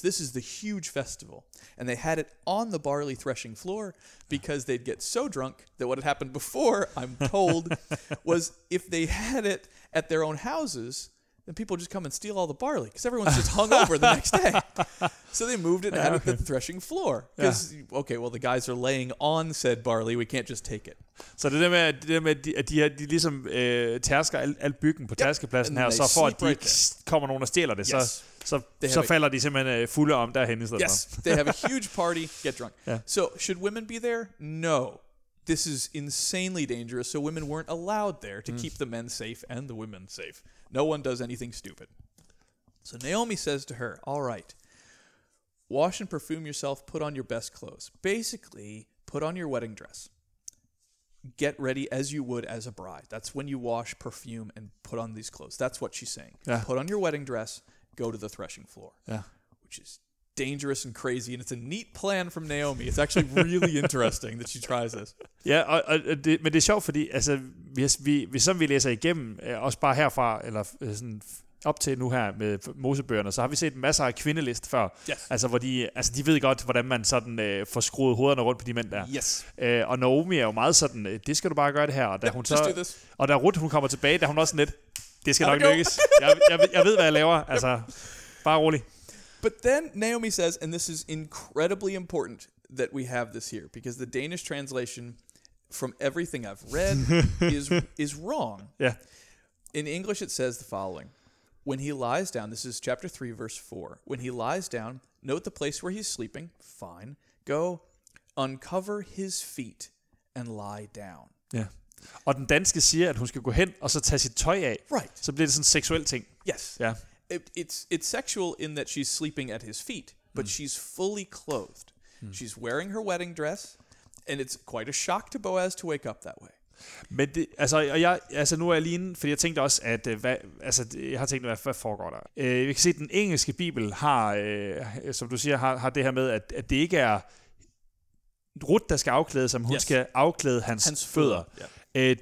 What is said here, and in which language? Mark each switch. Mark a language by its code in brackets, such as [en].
[en] This is the huge festival. And they had it on the barley threshing floor because they'd get so drunk that what had happened before, I'm told, was if they had it at their own houses, then people just come and steal all the barley because everyone's just hungover the next day. So they moved it out of the threshing floor because, the guys are laying on said barley. We can't just take it. [da] Så det der med, at de ligesom tærsker alt byggen på tærskepladsen her, så for at de ikke kommer nogen og stjæler det, så falder de simpelthen fulde om derhen i stedet for. [en] Yes, they have a huge party, get drunk. Yeah. So should women be there? No. This is insanely dangerous, so women weren't allowed there to keep the men safe and the women safe. No one does anything stupid. So Naomi says to her, "All right, wash and perfume yourself, put on your best clothes. Basically, put on your wedding dress. Get ready as you would as a bride." That's when you wash, perfume, and put on these clothes. That's what she's saying. Yeah. Put on your wedding dress, go to the threshing floor. Yeah. Which is dangerous and crazy, and it's a neat plan from Naomi. It's actually really interesting that she tries this. [da] Ja, men det er sjovt, fordi altså, hvis vi læser igennem, også bare herfra, eller sådan op til nu her med Mosebøgerne, så har vi set masser af kvindelist før. [en] Yes. [da] Altså, hvor de ved godt, hvordan man sådan får skruet hovederne rundt på de mænd der. [en] Yes. [da] Og Naomi er jo meget sådan, det skal du bare gøre det her. Og da og da Ruth, hun kommer tilbage, der hun også lidt, det skal nok lykkes. Jeg ved, hvad jeg laver. Altså, bare rolig. [en] But then Naomi says, and this is incredibly important that we have this here, because the Danish translation from everything I've read, is wrong. Yeah. In English, it says the following. When he lies down, this is chapter 3, verse 4. When he lies down, note the place where he's sleeping. Fine. Go uncover his feet and lie down. Yeah. [da] Og den danske siger, at hun skal gå hen og så tage sit tøj af. [en] Right. [da] Så bliver det sådan en seksuel ting. [en] Yes. Yeah. It's sexual in that she's sleeping at his feet, but she's fully clothed. Mm. She's wearing her wedding dress, and it's quite a shock to Boaz to wake up that way. [da] Men det, altså, og jeg, altså nu er jeg lige inde, fordi jeg tænkte også, at hvad, altså, jeg har tænkt, hvad foregår der? Vi kan se, at den engelske bibel har, som du siger, har det her med, at det ikke er Rut, der skal afklæde sig, men hun skal afklæde hans fødder. [en] Yeah.